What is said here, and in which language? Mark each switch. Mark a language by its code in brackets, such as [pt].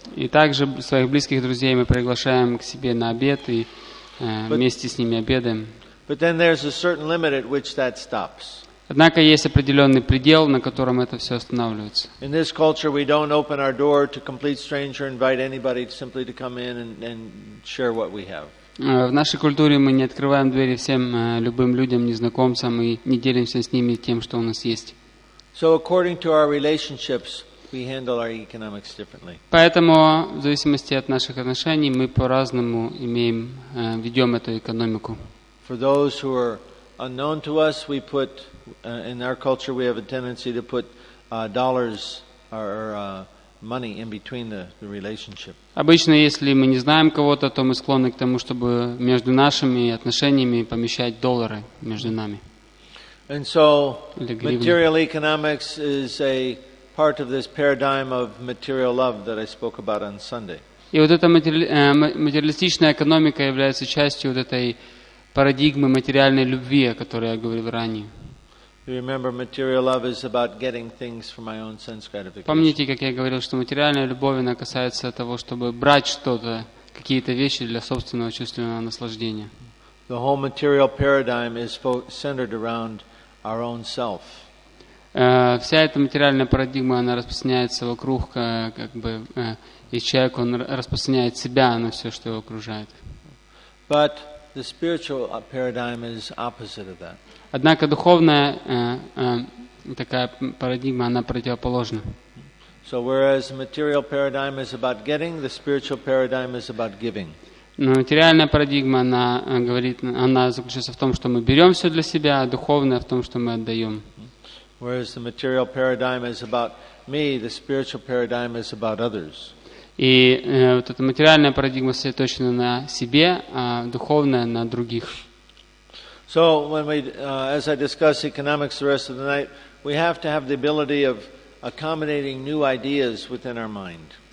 [ru] И также своих близких друзей мы приглашаем к себе на обед и вместе с ними обедаем. [en] But then there's a certain limit at which that stops. [ru] Однако есть определенный предел, на котором это все останавливается. [en] In this culture, we don't open our door to complete stranger, invite anybody simply to come in and share what we have. [ru] В нашей культуре мы не открываем двери всем любым людям, незнакомцам, и не делимся с ними тем, что у нас есть. [en] So according to our relationships, we handle our economics differently. [ru] Поэтому в зависимости от наших отношений мы по-разному ведем эту экономику. [en] For those who are unknown to us, we put in our culture we have a tendency to put dollars or money in between the relationship. [ru] Обычно, если мы не знаем кого-то, то мы склонны к тому, чтобы между нашими отношениями помещать доллары между нами. [en] And so, material economics is a part of this paradigm of material love that I spoke about on Sunday. [ru] И вот эта материалистичная экономика является частью вот этой парадигмы материальной любви, о которой я говорил ранее. [en] You remember, material love is about getting things for my own sense gratification. [ru] Помните, как я говорил, что материальная любовь, она касается того, чтобы брать что-то, какие-то вещи для собственного чувственного наслаждения. [en] The whole material paradigm is centered around our own self. [ru] Вся эта материальная парадигма, она распространяется вокруг, как бы, и человек, он распространяет себя на все, что его окружает. [en] But the spiritual paradigm is opposite of that. [ru] Однако духовная такая парадигма, она противоположна. [en] So whereas material paradigm is about getting, the spiritual paradigm is about giving. [ru] Но материальная парадигма, она говорит, она заключается в том, что мы берем все для себя, а духовная в том, что мы отдаем. [en] Whereas the material paradigm is about me, the spiritual paradigm is about others. [ru] И вот эта материальная парадигма сосредоточена на себе, а духовная на других. [en] So when we, as I discuss economics the rest of the night, we have to have the ability of accommodating new ideas within our mind.